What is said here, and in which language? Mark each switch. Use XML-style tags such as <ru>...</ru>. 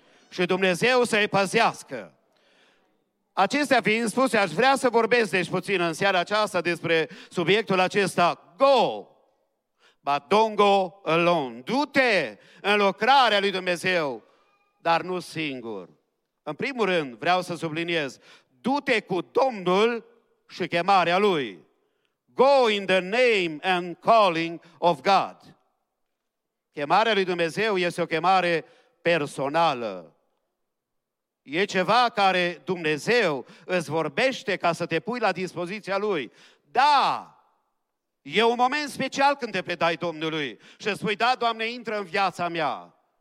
<ro>Și Dumnezeu să-i păzească. Acestea fiind spuse, aș vrea să vorbesc deci puțin în seara aceasta despre subiectul acesta.</ro> <en>Go, but don't go alone.</en> <ro>Du-te în lucrarea lui Dumnezeu, dar nu singur. În primul rând, vreau să subliniez, du-te cu Domnul și chemarea Lui.</ro> <en>Go in the name and calling of God.</en> <ro>Chemarea lui Dumnezeu este o chemare personală. E ceva care Dumnezeu îți vorbește ca să te pui la dispoziția Lui. Da, e un moment special când te predai Domnului și spui, da, Doamne, intră în viața mea.</ro>